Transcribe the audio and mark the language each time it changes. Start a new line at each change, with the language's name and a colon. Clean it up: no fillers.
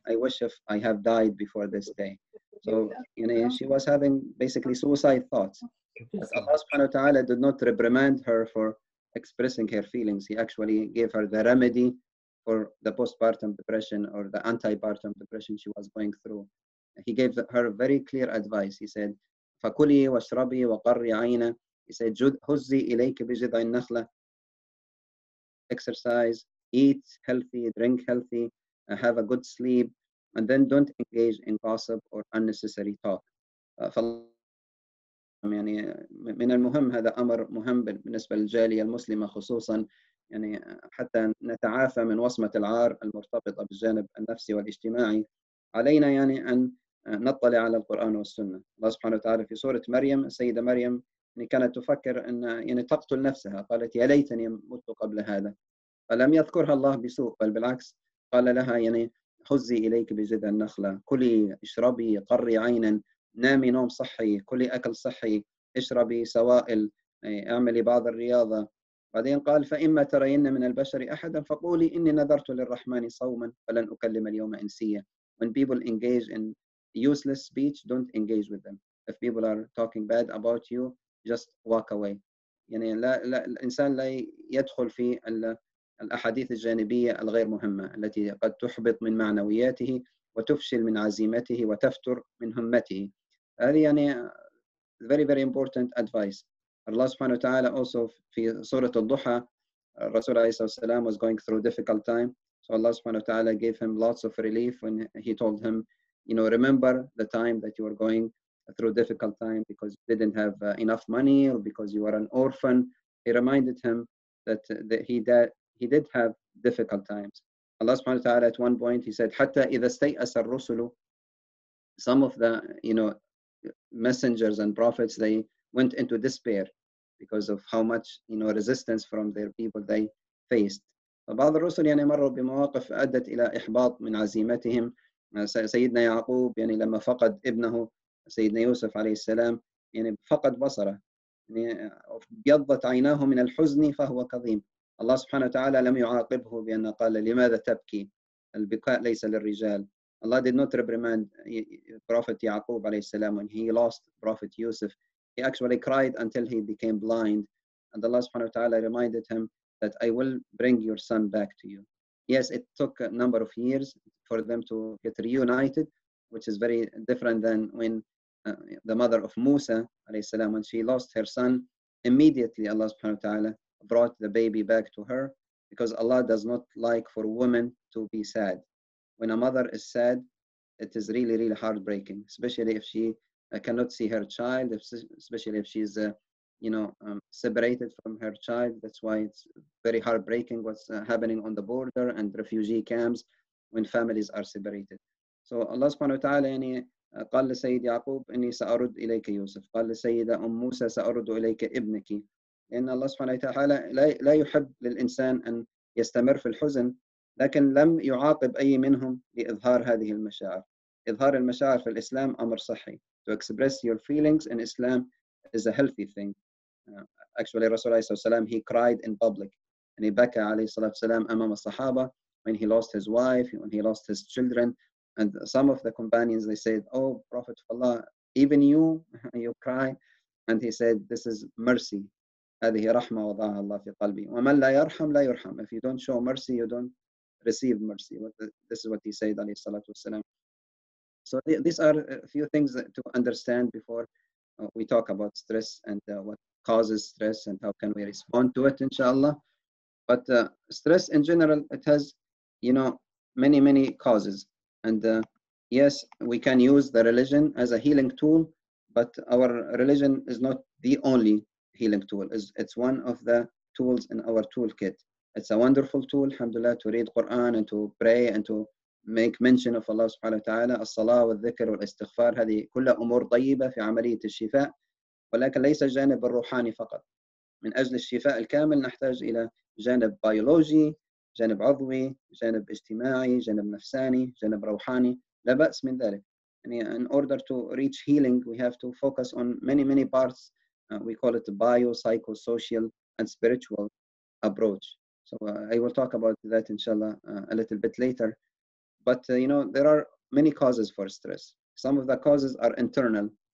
English: I wish if I have died before this day." So, you know, she was having basically suicide thoughts. But Allah subhanahu wa ta'ala did not reprimand her for expressing her feelings. He actually gave her the remedy for the postpartum depression or the antipartum depression she was going through. He gave her very clear advice. He said,
Arabic: فَكُلِي وَشْرَبِي وَقَرِّ عَيْنَا. He said, هُزِّي إِلَيْكِ بِجِذَعِ النَّخْلَ.
English: Exercise, eat healthy, drink healthy, have a good sleep, and then don't engage in gossip or unnecessary talk.
Arabic: يعني من المهم, هذا أمر مهم بالنسبة للجالية المسلمة خصوصا, يعني حتى نتعافى من وصمة العار المرتبطة بالجانب النفسي والاجتماعي. علينا يعني أن نطلع على القرآن والسنة. الله سبحانه وتعالى في سورة مريم, السيدة مريم يعني كانت تفكر أن يعني تقتل نفسها، قالت يا ليتني مت قبل هذا. فلم يذكرها الله بسوء، بل بالعكس قال لها يعني هزي إليك بجذع النخلة، كلي اشربي قري عينا، نامي نوم صحي، كلي أكل صحي، اشربي سوائل، اعملي بعض الرياضة. بعدين قال فإما ترين من البشر أحدا فقولي إني نذرت للرحمن صوما فلن أكلم اليوم إنسيا.
English: When people engage in useless speech, don't engage with them. If people are talking bad about you, just walk away.
Arabic: يعني لا, لا الإنسان لا يدخل في الأحاديث الجانبية الغير مهمة التي قد تحبط من معنوياته وتفشل من عزيمته وتفتر من همته. هذه يعني
English: very very important advice. Allah subhanahu wa ta'ala also
Arabic: في سورة الضحى الرسول عليه الصلاة والسلام
English: was going through a difficult time. So Allah subhanahu wa ta'ala gave him lots of relief when he told him, you know, remember the time that you were going through a difficult time because you didn't have enough money or because you were an orphan. He reminded him that he did have difficult times. Allah subhanahu wa ta'ala at one point he said,
Arabic: حتى إذا استيأس الرسل,
English: some of the, you know, messengers and prophets, they went into despair because of how much, you know, resistance from their people they faced.
Arabic: فبعض الرسل يعني مروا بمواقف أدت إلى إحباط من عزيمتهم. سيدنا يعقوب يعني لما فقد ابنه سيدنا يوسف عليه السلام يعني فقد بصره، يعني بيضت عيناه من الحزن فهو كظيم. الله سبحانه وتعالى لم يعاقبه بأن قال لماذا تبكي، البكاء ليس للرجال.
English: Allah did not reprimand Prophet Yaqub عليه السلام when he lost Prophet Yusuf. He actually cried until he became blind. And Allah subhanahu wa ta'ala reminded him that I will bring your son back to you. Yes, it took a number of years for them to get reunited, which is very different than when the mother of Musa عليه السلام, when she lost her son, immediately Allah subhanahu wa ta'ala brought the baby back to her, because Allah does not like for women to be sad. When a mother is sad, it is really, really heartbreaking, especially if she cannot see her child, especially if she's, separated from her child. That's why it's very heartbreaking what's happening on the border and refugee camps when families are separated.
Arabic: So Allah subhanahu wa ta'ala, يعني, قال لسيد يعقوب إني سأرد إليك يوسف. قال لسيد أم موسى سأرد إليك ابنك. إن الله سبحانه وتعالى لا يحب للإنسان أن يستمر في الحزن. لكن لم يعاقب أي منهم لإظهار هذه المشاعر. إظهار المشاعر في الإسلام أمر صحي.
English: To express your feelings in Islam is a healthy thing. Actually,
Arabic: رسول الله صلى الله عليه وسلم
English: he cried in public.
Arabic: يعني بكى عليه الصلاة والسلام أمام الصحابة
English: when he lost his wife, when he lost his children. And some of the companions, they said, oh, Prophet of Allah, even you cry. And he said, this is mercy.
Arabic: هذه رحمة وضعها الله في قلبي. ومن لا يرحم لا يرحم.
English: If you don't show mercy, you don't receive mercy. This is what he said, alayhi salatu wasalam. So these are a few things to understand before we talk about stress and what causes stress and how can we respond to it, inshallah. But stress in general, it has, you know, many, many causes. And yes, we can use the religion as a healing tool, but our religion is not the only healing tool. It's one of the tools in our toolkit. It's a wonderful tool, alhamdulillah, to read Quran and to pray and to make mention of Allah subhanahu wa ta'ala.
Arabic: As-salah wa al-dhikr wa al-istighfar, هذه كل أمور طيبة في عملية الشفاء. ولكن ليس الجانب الروحاني فقط. من أجل الشفاء الكامل نحتاج إلى جانب بيولوجي, جانب عضوي, جانب اجتماعي, جانب نفساني, جانب روحاني. لا بأس من ذلك.
English: In order to reach healing, we have to focus on many, many parts. We call it bio, psycho, social, and spiritual approach. So I will talk about that, inshallah, a little bit later. But, you know, there are many causes for stress. Some of the causes are internal.